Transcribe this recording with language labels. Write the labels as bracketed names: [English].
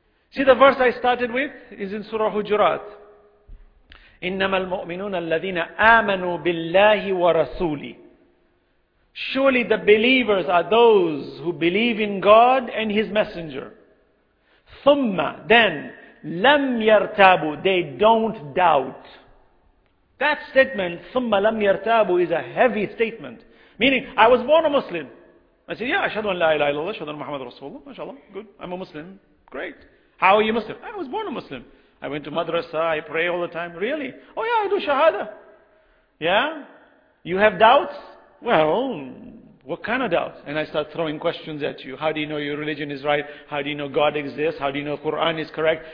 [English] See the verse I started with is in Surah Hujurat. [Arabic] إِنَّمَا الْمُؤْمِنُونَ الَّذِينَ آمَنُوا بِاللَّهِ وَرَسُولِ. [English] Surely the believers are those who believe in God and His Messenger. [Arabic] ثُمَّ then, لَمْ يَرْتَابُوا. [English] They don't doubt. That statement, [Arabic] ثُمَّ لَمْ يَرْتَابُوا, [English] is a heavy statement. Meaning, I was born a Muslim. I said, yeah, [Arabic] أشهد أن لا إله إلا الله, أشهد أن محمد رسول الله, mashallah, [English] good, I'm a Muslim, great. How are you Muslim? I was born a Muslim. I went to madrasa, I pray all the time. Really? Oh yeah, I do shahada. Yeah? You have doubts? Well, what kind of doubts? And I start throwing questions at you. How do you know your religion is right? How do you know God exists? How do you know Quran is correct?